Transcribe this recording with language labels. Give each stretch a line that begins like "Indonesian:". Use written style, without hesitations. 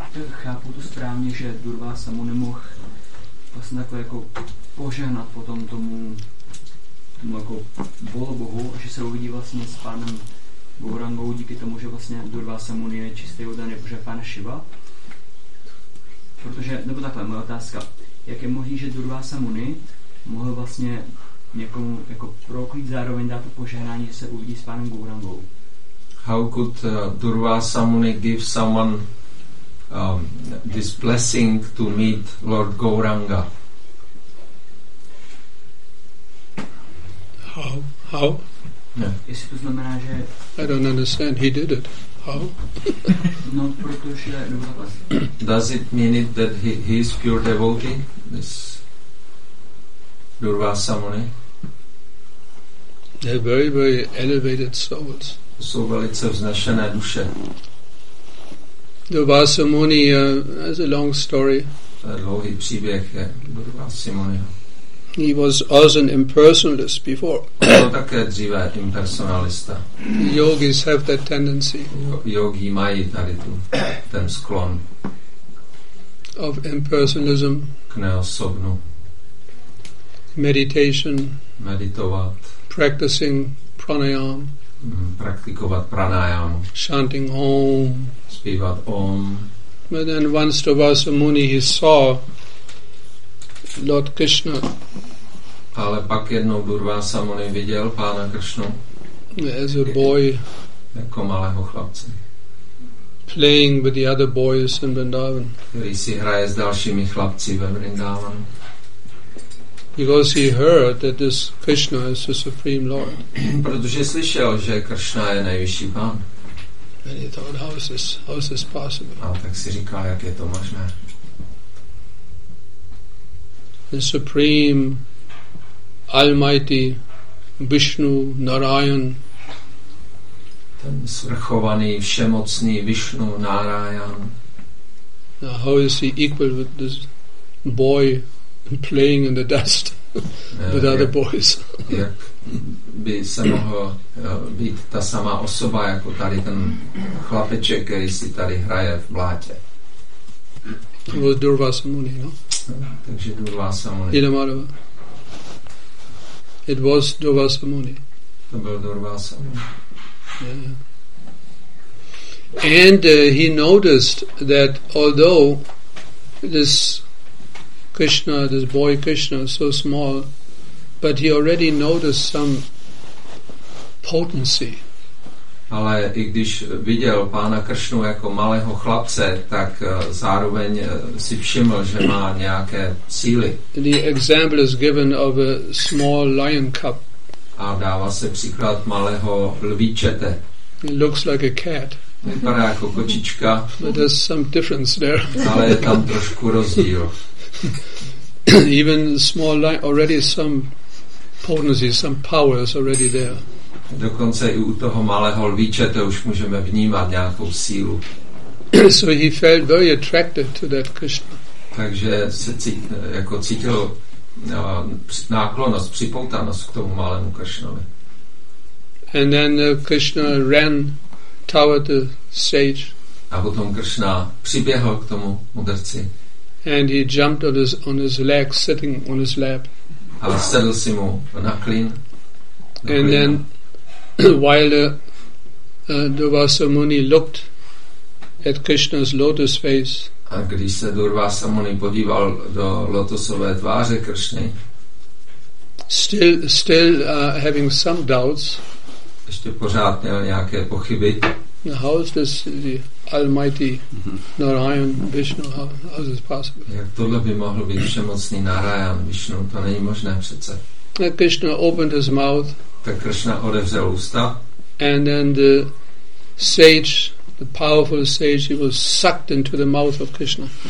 Czech: Chápu to správně, že Durvasa mu nemohl vlastně takhle jako požehnat potom tomu jako bolobohu, že se uvidí vlastně s pánem Gaurangou díky tomu, že vlastně Durvasa mu je čistý oddaný, protože pán Shiva. Protože, nebo takhle, moje otázka, jak je možný, že Durvasa mu mohl vlastně někomu jako proklít zároveň dát to požehnání, že se uvidí s pánem Gaurangou?
English: How could Durvasa Muni give someone this blessing to meet Lord Gauranga? How?
Czech: Jestli to znamená, že
English: I don't understand, he did it. How?
Czech: No, protože
English: does it mean it that he is pure devotee, this Durvasa Muni? They're very, very elevated souls.
Czech: Jsou velice vznešené duše.
English: Durvasa Muni has a long story.
Czech: Dlouhý příběh je Durvasa Muni.
English: He was also an impersonalist before.
Czech: Byl také dříve impersonalista.
English: Yogis have that tendency.
Czech: Yogi mají tady ten sklon
English: of impersonalism.
Czech: K neosobnu.
English: Meditation.
Czech: Meditovat.
English: Practicing pranayama.
Czech: Praktikovat pranayama.
English: Chanting om.
Czech: Zpívat om.
English: But then once Durvasa Muni, he saw Lord Krishna.
Czech: Ale pak jednou Durvasa Muni viděl pána Krishnu.
English: As a boy.
Czech: Jako malého chlapce.
English: Playing with the other boys in Vrindavan.
Czech: Který si hraje s dalšími chlapci ve Vrindavanu.
English: Because he heard that this Krishna is the supreme lord.
Czech: Protože slyšel, že Krishna je nejvyšší pán.
English: And he thought, how is this possible?
Czech: A tak si říká, jak je to možné.
English: The supreme, almighty Vishnu, Narayan.
Czech: Ten svrchovaný, všemocný Vishnu, Narayan.
English: Now how is he equal with this boy playing in the dust with other boys?
Czech: Jak by se mohl být ta samá osoba jako tady ten chlapeček, který si tady hraje v blátě?
English: It was Durvasa Muni, no?
Czech: Takže Durvasa Muni. Idamarava.
English: It was Durvasa Muni.
Czech: To byl Durvasa Muni.
English: Yeah. And he noticed that although this Krishna, this boy Krishna, so small, but he already noticed some potency.
Czech: Ale i když viděl pána Kršnu jako malého chlapce, tak zároveň si všiml, že má nějaké síly.
English: The example is given of a small lion cub.
Czech: A dává se příklad malého lvíčete.
English: It looks like a cat.
Czech: Vypadá jako kočička.
English: But there's some difference there.
Czech: Ale je tam trošku rozdíl.
English: Even small lion, already some potency, some power is already there.
Czech: Dokonce i u toho malého lvíče to už můžeme vnímat nějakou sílu.
English: So he felt very attracted to that Krishna.
Czech: Takže se cítil náklonost, připoutanost k tomu malému Krishnovi.
English: And then Krishna ran toward the sage.
Czech: A potom Krishna přiběhl k tomu mudrci.
English: And he jumped on his legs, sitting on his lap.
Czech: A sedl si mu na klín.
English: And then while Durvasa Muni looked at Krishna's lotus face,
Czech: a když se Durvasa Muni podíval do lotosové tváře Kršny,
English: still having some doubts,
Czech: ještě pořád měl nějaké pochyby,
English: how is this the almighty Narayan Vishnu, how is this possible?
Czech: Jak tohle by mohlo být všemocný Narayan Vishnu, to není možné přece.
English: Krishna opened his mouth.
Czech: Tak Krishna odevřel ústa.
English: And then the sage, the powerful sage, he was sucked into the mouth of Krishna.